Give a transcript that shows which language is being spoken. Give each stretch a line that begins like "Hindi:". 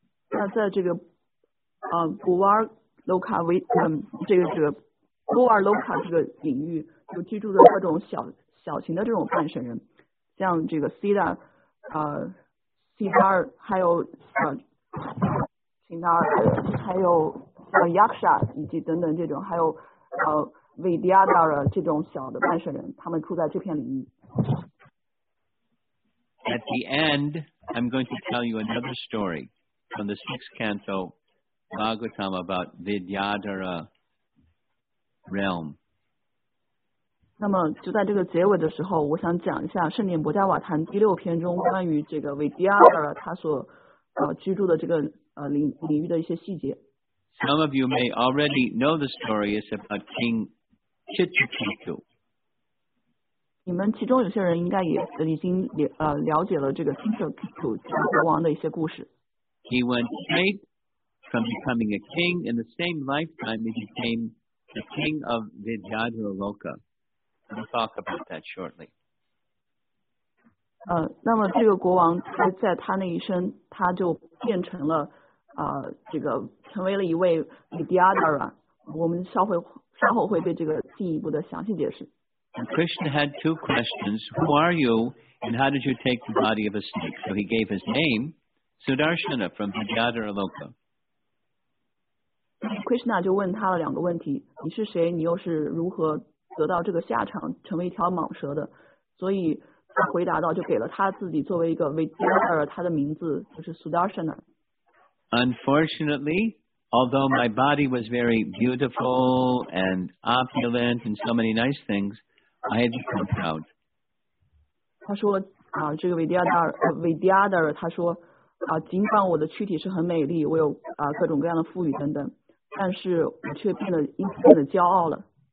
Chinese: 那在这个Bhuvarloka 为这个 Bhuvarloka 这个领域，就居住的各种小型的这种半神人，像这个 Siddha Siddhar 还有Chinar 还有Yaksha 以及等等这种，还有Vidyadhara 这种小的半神人，他们住在这片领域。
English: At the end, I'm going to tell you another story from the sixth canto Bhagavatam about Vidyadhara realm.
Chinese: 那么就在这个结尾的时候，我想讲一下《圣殿博迦瓦坛》第六篇中关于这个 Vidyadhara 他所居住的这个领域的一些细节。
English: Some of you may already know the story. It's about King Chitraketu.
Chinese: 你们其中有些人应该也已经了解了这个 Chitraketu 国王的一些故事。
English: He went straight from becoming a king in the same lifetime he became the king of Vidyadharaloka. We'll talk about that shortly.
Chinese: 那么这个国王在他那一生，他就变成了。这个成为了一位 Vidyadhara， 我们稍后会对这个进一步的详细解释。
English: And Krishna had two questions: Who are you, and how did you take the body of a snake? So he gave his name, Sudarshana from Vidyadharaloka.
Chinese: Krishna 就问他了两个问题：你是谁？你又是如何得到这个下场，成为一条蟒蛇的？所以他回答到，就给了他自己作为一个 Vidyadhara， 他的名字就是 Sudarshana。
English: Unfortunately, although my body was very beautiful and opulent and so many nice things, I had become proud.
Chinese: 他说这个维迪亚达尔他说尽管我的躯体是很美丽，我有各种各样的富裕等等，但是我却变得骄傲了。